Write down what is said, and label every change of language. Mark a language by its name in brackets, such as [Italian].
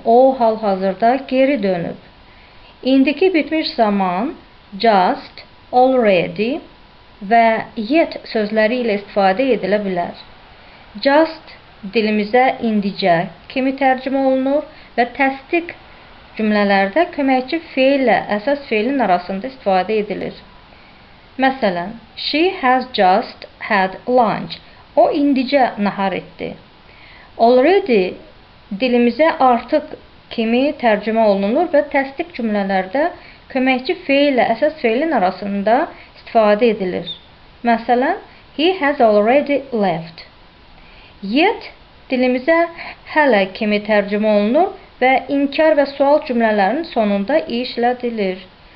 [Azerbaijani] O hal-hazırda geri dönüb. İndiki bitmiş zaman just, already və yet sözləri ilə istifadə edilə bilər. Just dilimizə indicə kimi tərcümə olunur və təsdiq cümlələrdə köməkçi fiil ilə əsas fiilin arasında istifadə edilir. [English] Məsələn, she has just had lunch. [Azerbaijani] O indicə nahar etdi. Already dilimizə artıq kimi tərcümə olunur və təsdiq cümlələrdə köməkçi fiil ilə əsas fiilin arasında istifadə edilir. Məsələn, [English] he has already left. [Azerbaijani] Yet dilimizə hələ kimi tərcümə olunur və inkar və sual cümlələrinin sonunda işlədilir.